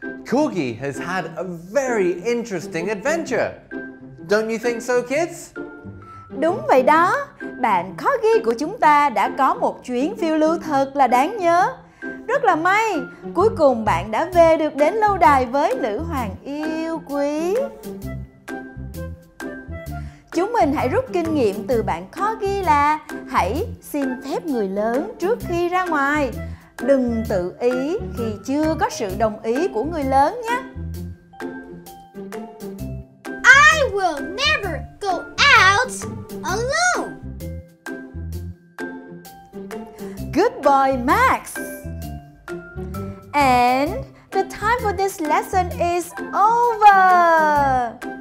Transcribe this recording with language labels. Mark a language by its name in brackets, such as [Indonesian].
[English] Corgi has had a very interesting adventure. Don't you think so, kids? [Vietnamese] Đúng vậy đó. Bạn Corgi của chúng ta đã có một chuyến phiêu lưu thật là đáng nhớ. Rất là may, cuối cùng bạn đã về được đến lâu đài với nữ hoàng yêu quý. Chúng mình hãy rút kinh nghiệm từ bạn Corgi là hãy xin phép người lớn trước khi ra ngoài. Đừng tự ý khi chưa có sự đồng ý của người lớn nhé. [English] I will never go out alone. Good boy, Max. And the time for this lesson is over.